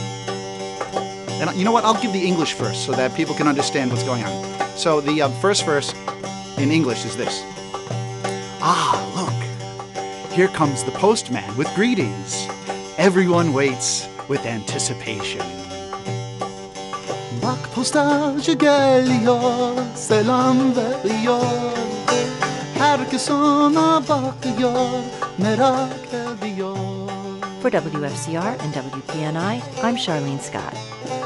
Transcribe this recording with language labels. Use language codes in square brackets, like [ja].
[en] And you know what? I'll give the English verse so that people can understand what's going on. So the first verse in English is this. Ah, look. Here comes the postman with greetings. Everyone waits with anticipation. [tr] Bak postage geliyor, selam veriyor. Herkes ona bakıyor, merak ediyor. [en] For WFCR and WPNI, I'm Charlene Scott.